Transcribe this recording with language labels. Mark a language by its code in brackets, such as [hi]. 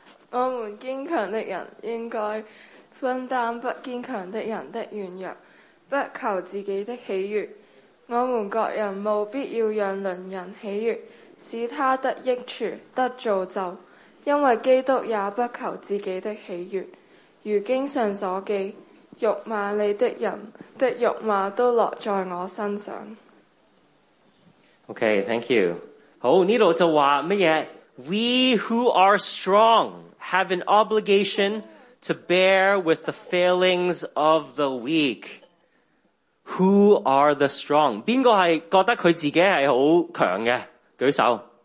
[zh] 我们坚强的人应该分担不坚强的人的软弱不求自己的喜悦我们各人务必要让邻人喜悦使他得益处得造就因为基督也不求自己的喜悦如经上所记辱骂你的人的辱骂都落在我身上。 [en] Okay, thank you. [zh] 好呢度就话乜嘢 [en] ?We who are strong have an obligation to bear with the failings of the weak. Who are the strong? [zh] 边个系觉得佢自己系好强嘅举手。